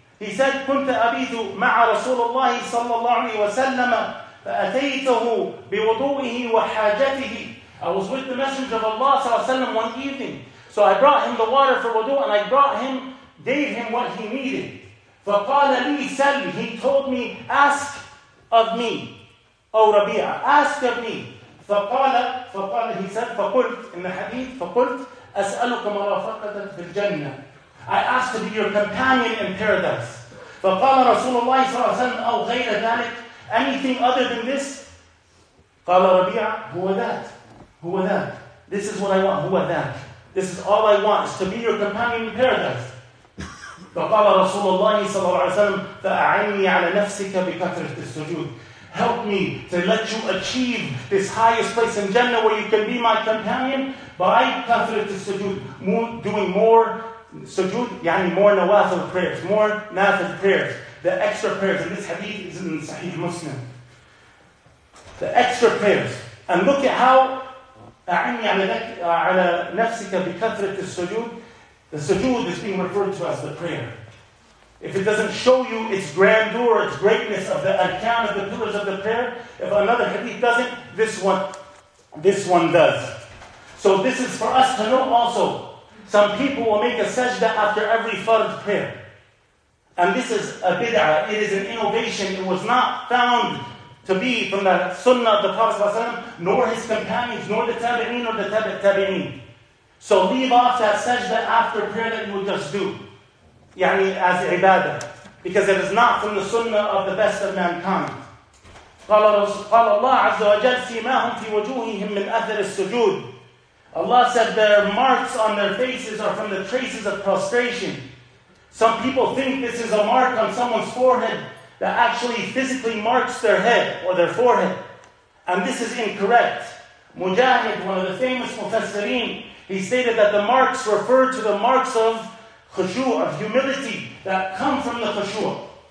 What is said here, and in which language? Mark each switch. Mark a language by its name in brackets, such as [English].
[English] He said, [Arabic] كنت أبيت مع رسول الله صلى الله عليه وسلم فأتيته بوضوئه وحاجته. [English] I was with the Messenger of Allah صلى الله عليه وسلم one evening. So I brought him the water for wudu and I brought him, gave him what he needed. [Arabic] فَقَالَ لِي سَلْمِ [English] He told me, ask of me, O Rabi'a, ask of me. [Arabic] فَقَالَ [English] He said, [Arabic] فَقُلْتُ [English] In the hadith, [Arabic] فَقُلْتُ أَسْأَلُكَ مَرَافَقَةً فِي الْجَنَّةِ [English] I asked to be your companion in paradise. [Arabic] فَقَالَ رَسُولُ اللَّهِ صَلَى اللَّهِ وَسَلَمْ أَوْ غَيْرَ ذَلِكَ [English] Anything other than this? [Arabic] قَالَ رَبِيعَ هُوَ ذَاتْ هُوَ ذَاتْ [English] This is what I want, [Arabic] هُوَ ذَاتْ [English] This is all I want, is to be your companion in paradise. [Arabic] فَقَالَ رَسُولُ اللَّهِ صَلَى اللَّهِ وَسَلَمْ فَأَعِنِّي عَلَى نَفْسِكَ بِكَثْرَةِ السُّجُودِ [English] Help me to let you achieve this highest place in Jannah where you can be my companion by [Arabic] كَثْرَةِ السُّجُودِ [English] Doing more sujood, يعني more nawafil prayers, more nafil prayers. The extra prayers, and this hadith is in Sahih Muslim. The extra prayers. And look at how [Arabic] أعني على نفسك بكثرة السجود. [English] The sujood is being referred to as the prayer. If it doesn't show you its grandeur, its greatness of the arkan of the pillars of the prayer, if another hadith doesn't, this one does. So this is for us to know also. Some people will make a sajda after every fard prayer. And this is a bid'ah. It is an innovation. It was not found to be from the sunnah of the Prophet ﷺ, nor his companions, nor the tabi'een, nor the tabi'een. So leave off that sajda after prayer that you would just do. يعني as ibadah. Because it is not from the sunnah of the best of mankind. [Arabic] قال الله عز وجل سيماهم في وجوههم من أثر السجود. [English] Allah said their marks on their faces are from the traces of prostration. Some people think this is a mark on someone's forehead that actually physically marks their head or their forehead. And this is incorrect. Mujahid, one of the famous mufassirin, he stated that the marks refer to the marks of khushu', of humility, that come from the khushu'.